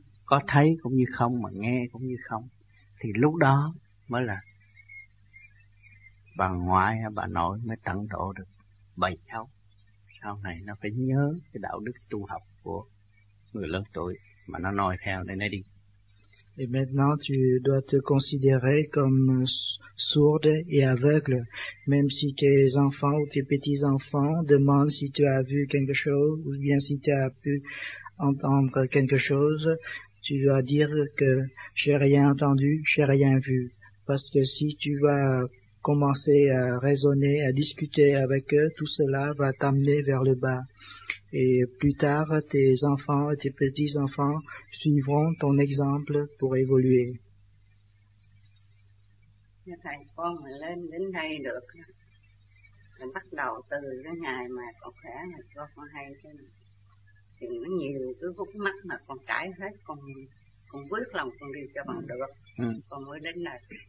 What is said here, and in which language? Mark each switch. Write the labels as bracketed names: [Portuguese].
[Vietnamese] Có thấy cũng như không, mà nghe cũng như không. Thì lúc đó mới là bà ngoại hay bà nội mới tận độ được bảy cháu. Sau này nó phải nhớ cái đạo đức tu học của người lớn tuổi mà nó noi theo để nó đi. [French] Et maintenant tu dois te considérer comme sourde et aveugle, même si tes enfants ou tes petits-enfants demandent si tu as vu quelque chose ou bien si tu as pu entendre quelque chose, tu dois dire que j'ai rien entendu, j'ai rien vu, parce que si tu vas commencer à raisonner, à discuter avec eux, tout cela va t'amener vers le bas. Et plus tard, tes enfants et tes petits-enfants suivront ton exemple pour évoluer. [Vietnamese] Thưa Thầy, con mà lên đến đây được, mình bắt đầu từ cái ngày mà con khỏe là con hay cái này. Thì nó nhiều cứ hút mắt mà con cãi hết, con bước lòng con đi cho bằng được, con mới đến đây.